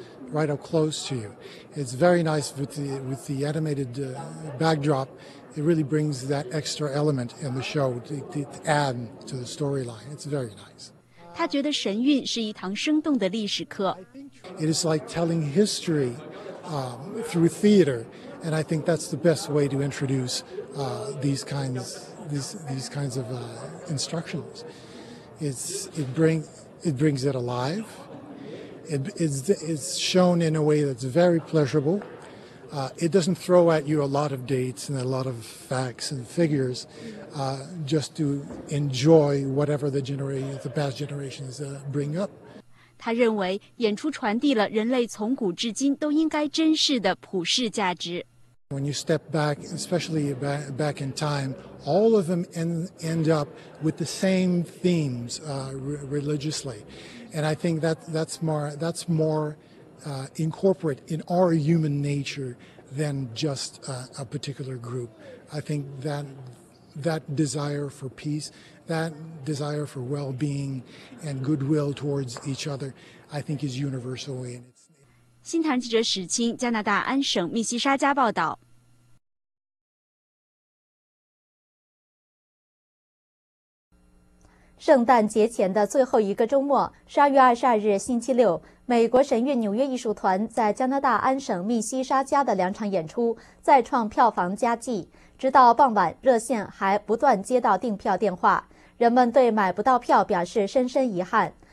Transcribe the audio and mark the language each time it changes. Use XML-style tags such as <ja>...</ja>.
<en>Right up close to you. It's very nice with the animated backdrop. It really brings that extra element in the show to add to the storyline. It's very nice.</en> <zh>他觉得神韵是一堂生动的历史课。</zh> <en>It is like telling history through theater, and I think that's the best way to introduce these kinds of instructions. It brings it alive.It's shown in a way that's very pleasurable, It doesn't throw at you a lot of dates and a lot of facts and figures, just to enjoy whatever the past generations bring up.</en> <zh>他认为演出传递了人类从古至今都应该珍视的普世价值。</zh> <en>When you step back, especially back in time, all of them end up with the same themes religiously. And I think that's more incorporate in our human nature than just a particular group. I think that desire for peace, that desire for well-being and goodwill towards each other, I think is universal.</en> <zh>新唐记者史清，加拿大安省密西沙加报道。圣诞节前的最后一个周末，12月22日星期六，美国神韵纽约艺术团在加拿大安省密西沙加的两场演出再创票房佳绩，直到傍晚热线还不断接到订票电话，人们对买不到票表示深深遗憾。</zh>